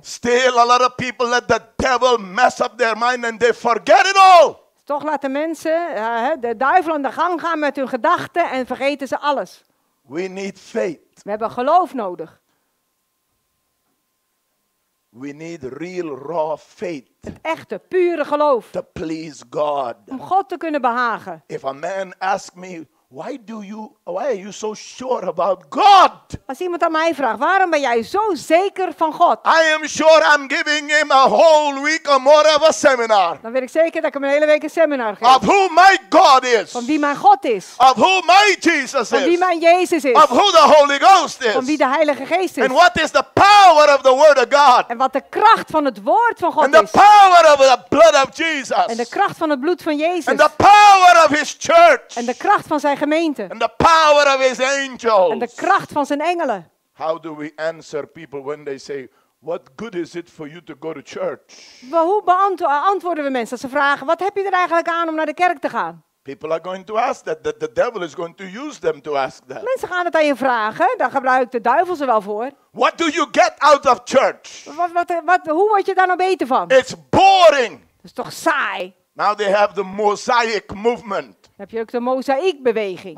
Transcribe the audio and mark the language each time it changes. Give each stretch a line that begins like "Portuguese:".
English: Still a lot of people let the devil mess up their mind and they forget it all.
Dutch: Toch laten mensen de duivel aan de gang gaan met hun gedachten en vergeten ze alles.
English: We need faith.
Dutch: We hebben geloof nodig.
English: We need real raw faith.
Dutch: Het echte, pure geloof.
English: To please God.
Dutch: Om God te kunnen behagen.
English: If a man asks me, why are you so sure about God?
Dutch: Als iemand aan mij vraagt, waarom ben jij zo zeker van God?
English: I am sure I'm giving him a whole week or more of a seminar.
Dutch: Dan weet ik zeker dat ik hem een hele week een seminar geef.
English: Of who my God is.
Dutch: Van wie mijn God is.
English: Of who my Jesus is.
Dutch: Van wie mijn Jezus is.
English: Of who the Holy Ghost is.
Dutch: Van wie de Heilige Geest is.
English: And what is the power of the Word of God?
Dutch: En wat de kracht van het woord van God is.
English: And the power of the blood of Jesus.
Dutch: En de kracht van het bloed van Jezus.
English: And the power of His church.
Dutch: En de kracht van zijn gemeente.
English: And the power of his angels.
Dutch: En de kracht van zijn engelen.
English: How do we answer people when they say, what good is it for you to go to church?
Dutch: Hoe beantwoorden we mensen als ze vragen, wat heb je er eigenlijk aan om naar de kerk te gaan?
English: People are going to ask that. The devil is going to use them to ask that.
Dutch: Mensen gaan het aan je vragen. Daar gebruikt de duivel ze wel voor.
English: What do you get out of church?
Dutch: Hoe word je daar nou beter van?
English: It's boring.
Dutch: Dat is toch saai.
English: Now they have the mosaic movement.
Dutch: Heb je ook de mozaïekbeweging?